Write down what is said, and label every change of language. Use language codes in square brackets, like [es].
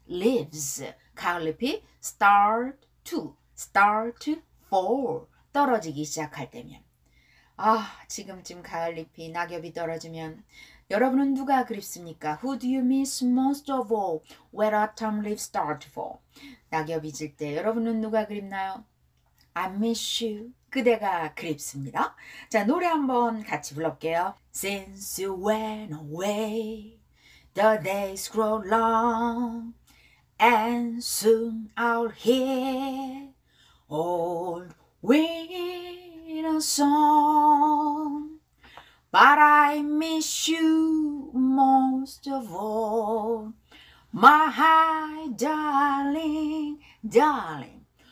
[en] 가을잎이 start to fall. [ko] 떨어지기 시작할 때면. 아, 지금쯤 가을잎이 낙엽이 떨어지면 여러분은 누가 그립습니까? [en] Who do you miss most of all when autumn leaves start to fall? [ko] 낙엽이 질 때 여러분은 누가 그립나요? [en] I miss you. [ko] 그대가 그립습니다. 자, 노래 한번 같이 불러볼게요. [en] Since you went away, the days grow long, and soon I'll hear old winter song. But I miss you most of all, my darling, darling.